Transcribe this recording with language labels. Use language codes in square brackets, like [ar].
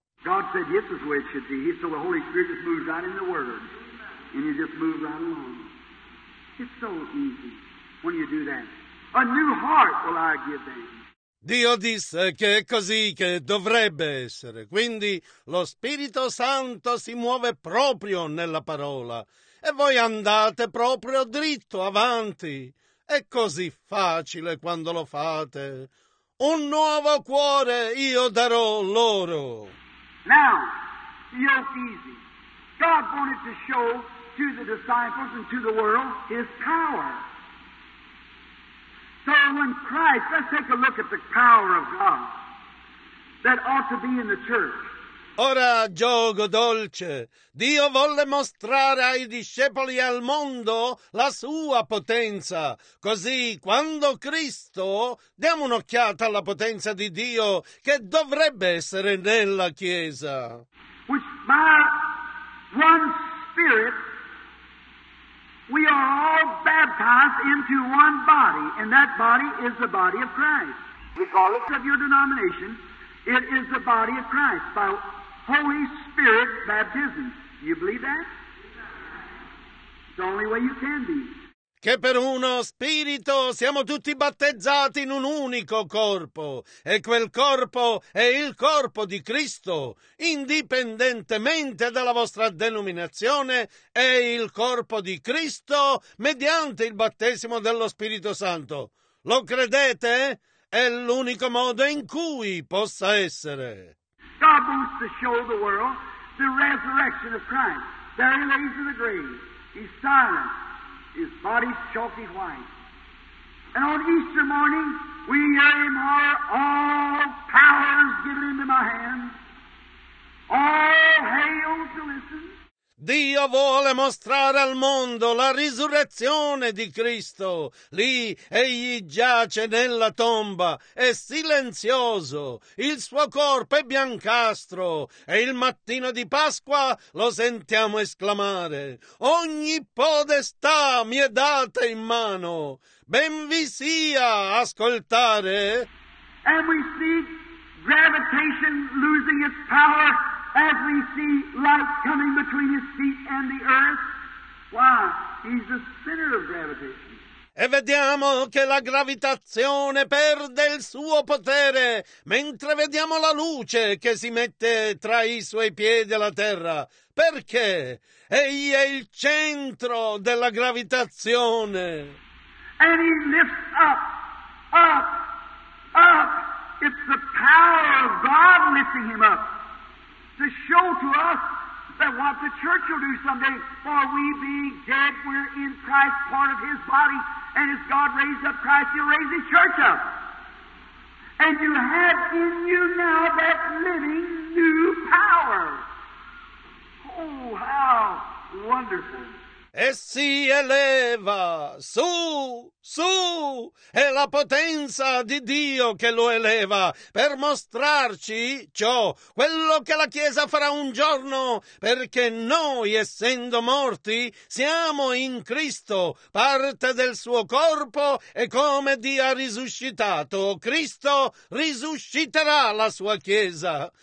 [en] God said this is the way it should be. So the Holy Spirit just moves right in the Word. And you just move right along. It's so easy when you do that. A new heart will I give them. [it] Dio disse che è così che dovrebbe essere. Quindi lo Spirito Santo si muove proprio nella parola e voi andate proprio dritto avanti. È così facile quando lo fate. Un nuovo cuore io darò loro. [en] Now, the yoke easy. God wanted to show to the disciples and to the world his power. So when Christ, let's take a look at the power of God that ought to be in the church. [it] Ora, giogo dolce, Dio volle mostrare ai discepoli e al mondo la sua potenza. Così, quando Cristo, diamo un'occhiata alla potenza di Dio che dovrebbe essere nella Chiesa. [en] Which by one Spirit, we are all baptized into one body, and that body is the body of Christ. Regardless of your denomination, it is the body of Christ by Holy Spirit baptism. Do you believe that? It's the only way you can be. [it] Che per uno spirito siamo tutti battezzati in un unico corpo, e quel corpo è il corpo di Cristo, indipendentemente dalla vostra denominazione, è il corpo di Cristo mediante il battesimo dello Spirito Santo. Lo credete? È l'unico modo in cui possa essere. [en] God wants to show the world the resurrection of Christ. There he lays in the grave. He's silent. His body's chalky white. And on Easter morning, we hear him holler, all power's given into my hand. All hail to listen. [it] Dio vuole mostrare al mondo la risurrezione di Cristo. Lì egli giace nella tomba, è silenzioso, il suo corpo è biancastro e il mattino di Pasqua lo sentiamo esclamare: «Ogni podestà mi è data in mano, ben vi sia ascoltare!» [en] And we see gravitation losing its power as we see light coming between his feet and the earth. Why? He's the center of gravitation. [it] E vediamo che la gravitazione perde il suo potere, mentre vediamo la luce che si mette tra i suoi piedi alla terra. Perché? Egli è il centro della gravitazione. [en] And he lifts up, up, up. It's the power of God lifting him up to show to us that what the church will do someday, for we being dead, we're in Christ, part of his body, and as God raised up Christ, he'll raise his church up. And you have in you now that living new power. Oh, how wonderful. [it] E si eleva su, su, è la potenza di Dio che lo eleva per mostrarci ciò, quello che la Chiesa farà un giorno, perché noi, essendo morti, siamo in Cristo, parte del suo corpo, e come Dio ha risuscitato, Cristo risusciterà la sua Chiesa.